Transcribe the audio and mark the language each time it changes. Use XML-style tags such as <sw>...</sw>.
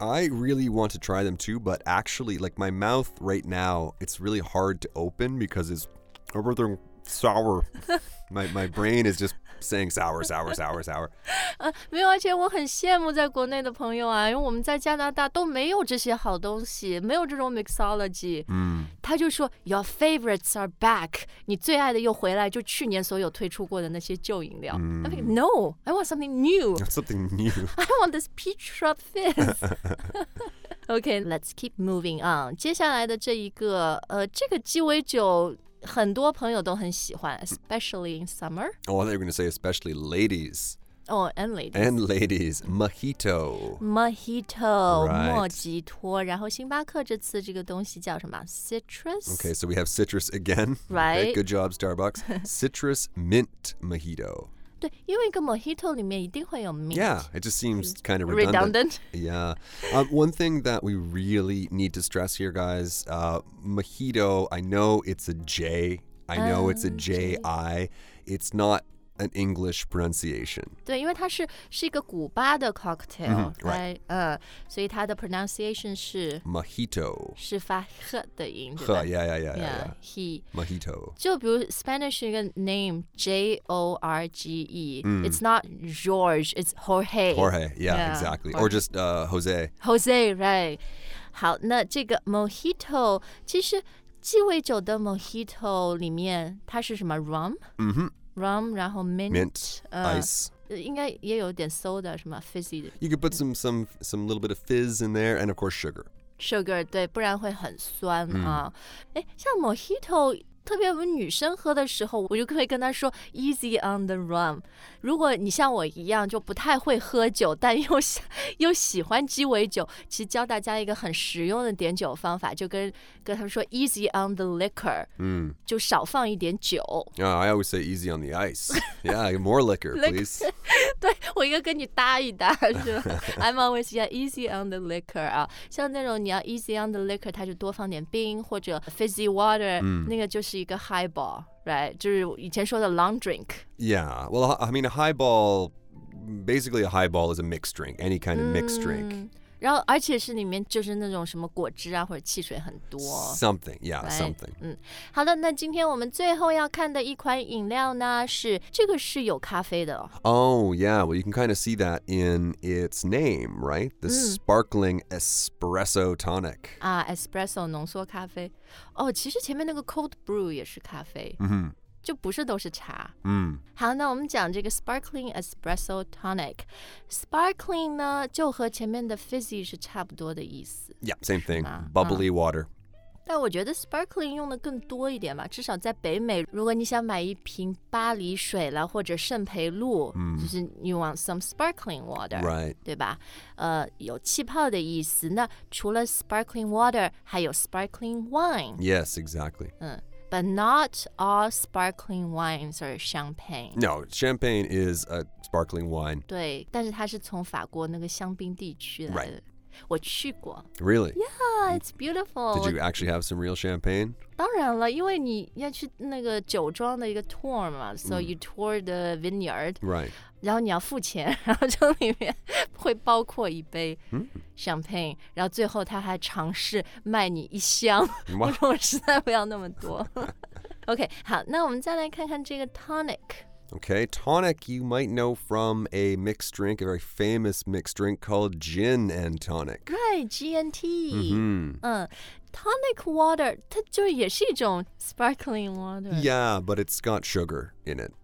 <en>I really want to try them too But actually like my mouth right now It's really hard to open because it's a rather sour my brain is justSaying sour, sour, sour, sour.</en> <zh>没有，而且我很羡慕在国内的朋友啊，因为我们在加拿大都没有这些好东西，没有这种 mixology。嗯，他就说</zh> <en>your favorites are back，</en> <zh>你最爱的又回来，就去年所有推出过的那些旧饮料。嗯、</zh> <en>I'm like, no, I want something new. Something new. I want this peach shrub fizz. okay, let's keep moving on.</en> <zh>接下来的这一个，这个鸡尾酒。很多朋友都很喜欢</zh> <en>especially in summer. Oh, I thought you were going to say especially ladies. Oh, and ladies. And ladies. Mojito. Mojito. Right.</en> <zh>莫吉托然后星巴克这次这个东西叫什么 Citrus.</zh> <en>Okay, so we have citrus again. Right. Okay, good job, Starbucks. Citrus mint mojito.</en> <zh>对因为一个 mojito 里面一定会有 mint.</zh> <en>Yeah, it just seems kind of redundant. Redundant. Yeah. One thing that we really need to stress here, guys, mojito, I know it's a J. I know it's a J-I. It's not an English pronunciation.</en> <zh>对因为它 是一个古巴的 cocktail,</zh> <en>mm-hmm, right?</en> <zh>所以它的 pronunciation 是</zh> <en>mojito.</en> <zh>是发 h 的音。</zh> <en>h, yeah, yeah, yeah, yeah. yeah. He. Mojito.</en> <zh>就比如 Spanish 一个 name, J-O-R-G-E.、Mm.</zh> <en>It's not George, it's Jorge. Jorge, yeah, yeah exactly. Jorge. Or just Jose. Jose, right.</en> <zh>好那这个 mojito, 其实鸡尾酒的 mojito 里面它是什么 rum? Mm-hmm. rum, 然后 mint,</zh> <en>ice.</en> <zh>应该也有点 soda 什么 fizzy 的</zh> <en>You could put some little bit of fizz in there and of course sugar.</en> <zh>Sugar, 对不然会很酸、mm. 啊。诶像 mojito, 特别我们女生喝的时候我就可以跟她说</zh> <en>easy on the rum.</en> <zh>如果你像我一样就不太会喝酒但 又喜欢鸡尾酒其实教大家一个很实用的点酒方法就跟她说</zh> <en>easy on the liquor,、 mm.</en> <zh>就少放一点酒。</zh> <en>Yeah, I always say easy on the ice. Yeah, more liquor, please.</en> <zh>对我应该跟你搭一搭是吧</zh> <en>I'm always yeah, easy on the liquor</en> <zh>啊，像那种你要 easy on the liquor 它就多放点冰或者 fizzy water、 mm. 那个就是一个 highball right 就是以前说的 long drink</zh> <en>Yeah, well I mean a highball Basically a highball is a mixed drink Any kind of mixed drink、mm.</en> <zh>然后而且是里面就是那种什么果汁啊或者汽水很多</zh> <en>Something, yeah, right? something、</en> <zh>嗯、好的那今天我们最后要看的一款饮料呢是这个是有咖啡的</zh> <en>Oh yeah, well you can kind of see that in its name, right? The、嗯、sparkling espresso tonic</en> <zh>啊 espresso 浓缩咖啡哦其实前面那个 cold brew 也是咖啡、 mm-hmm. 就不是都是茶、 mm. 好那我们讲这个 sparkling espresso tonic sparkling 呢就和前面的 fizzy 是差不多的意思</zh> <en>yeah same thing bubbly、嗯、water</en> <zh>但我觉得 sparkling 用的更多一点吧至少在北美如果你想买一瓶巴黎水了或者圣培露、 mm.</zh> <en>就是 you want some sparkling water right</en> <zh>对吧有气泡的意思那除了 sparkling water 还有 sparkling wine</zh> <en>yes exactly、嗯But not all sparkling wines are champagne. No, champagne is a sparkling wine.</en> <zh>对，但是它是从法国那个香槟地区来的。</zh> <en>Right.</en> <zh>我去过。</zh> <en>Really? Yeah, it's beautiful. Did you actually have some real champagne?</en> <zh>当然了，因为你要去那个酒庄的一个 tour 嘛，</zh> <en>so you tour the vineyard. Right.</en> <zh>然后你要付钱，然后这里面会包括一杯 champagne，、mm. 然后最后他还尝试卖你一箱。我说我实在不要那么多。 OK， 好，那我们再来看看这个 tonic。</zh> <en>Okay, tonic you might know from a mixed drink, a very famous mixed drink called gin and tonic. Right, G&T. Mm-hmm.</en> <zh>Tonic water, 它就也是一种 sparkling water.</zh> <en>Yeah, but it's got sugar in it.</en>